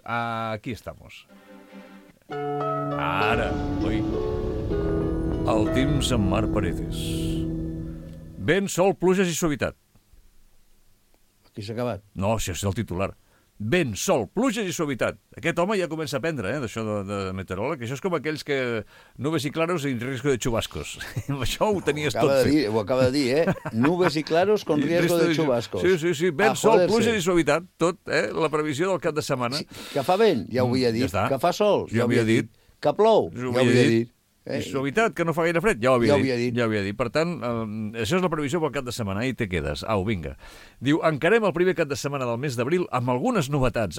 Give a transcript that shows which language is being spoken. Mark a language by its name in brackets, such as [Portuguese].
[Catalan] Aquí estamos. Ara, oi? El temps en Marc Paredes. Vent, sol, pluges i suavitat. Aquí s'ha acabat. No, això és el titular. Vent, sol, pluges i suavitat. Aquest home ja comença a aprendre, d'això de meteoròleg. Això és com aquells que... [Spanish] Nubes i claros en riesgo de chubascos. [Catalan] Això ho tenies ho tot. Ho acaba de dir, [Spanish] Nubes i claros con riesgo de chubascos. [Catalan] Sí. Vent, sol, pluges i suavitat. Tot, la previsió del cap de setmana. Sí, que fa vent, ja ho havia dit. Ja que fa sol, ja ho havia dit. Que plou, ja ho havia dit. I suavitat, que no fa gaire fred, ja ho havia dit. Per tant, això és la previsió pel cap de setmana, i te quedes. Au, vinga. Diu, encarem el primer cap de setmana del mes d'abril amb algunes novetats.